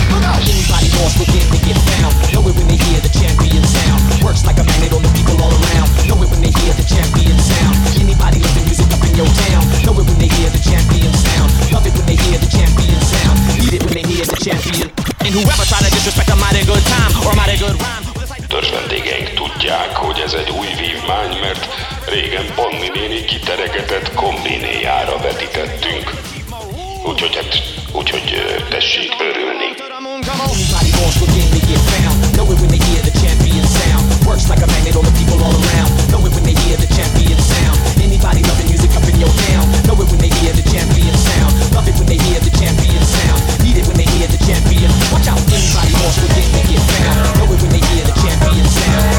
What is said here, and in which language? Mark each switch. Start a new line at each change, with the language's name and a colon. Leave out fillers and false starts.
English: Anybody lost within me get found. Know it when they hear the champion sound. Works like a magnet on the people all around. Know it when they hear the champion sound. Anybody love the music up in your town. Know it when they hear the champion sound. Love it when they hear the champion sound. Need it when they hear the champion. And whoever try to disrespect a mighty good time or a mighty good rhyme.
Hungarian: Törzs vendégeink tudják, hogy ez egy új vívmány, mert régen Panni néni kiteregetett kombinéjára vetítettünk. Úgyhogy hát, úgyhogy tessék örülni.
English: Works like a magnet on the people all around. Know it when they hear the champion sound. Anybody loving music up in your town. Know it when they hear the champion sound. Love it when they hear the champion sound. Need it when they hear the champion. Watch out, anybody lost within me get found. Know it when they hear the champion sound.